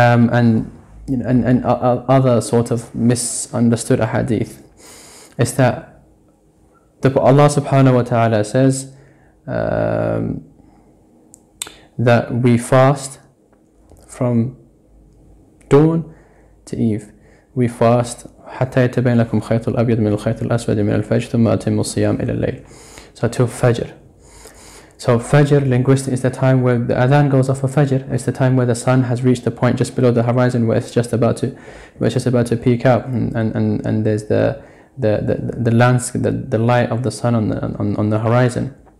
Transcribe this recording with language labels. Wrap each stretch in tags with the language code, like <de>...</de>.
<en>And other sort of misunderstood hadith is that Allah subhanahu wa ta'ala says, that we fast from dawn to eve. We fast</en> <ar>حتى يتبين لكم خيط الأبيض من الخيط الأسود من الفجر ثم أتم الصيام إلى الليل.</ar> <en>So to Fajr. So Fajr, linguistic, is the time where the adhan goes off of Fajr. It's the time where the sun has reached the point just below the horizon where it's just about to, where it's just about to peak out, and there's the landscape, the light of the sun on the horizon.</en>